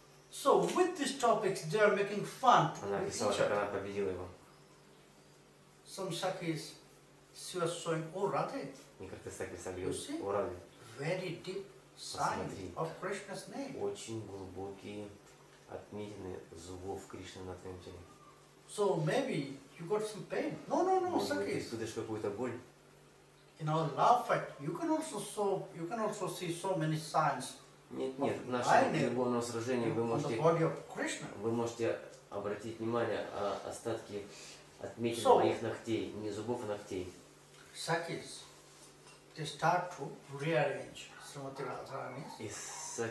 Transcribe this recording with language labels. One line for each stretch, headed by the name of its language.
English: So with these topics, they are making fun.
Russian: Она описала, как она победила его.
English: Some sakis, she was showing, oh, Radhe.
Russian: Некоторые саки сабили, о, Радхе.
English: Very deep sign of Krishna's name.
Russian: Очень глубокие отметины зубов Кришны на твоем теле.
English: So maybe you got some pain. No, Sakhi.
Russian: Может быть, испытываешь какую-то боль.
English: In our love fight, you can also see so many signs.
Russian: Нет, в нашем любовном сражении вы можете.
English: On the body of Krishna.
Russian: Вы можете обратить внимание на остатки отметин моих ногтей, не зубов, а ногтей.
English: Sakhi. They start to rearrange Srimati Radharani's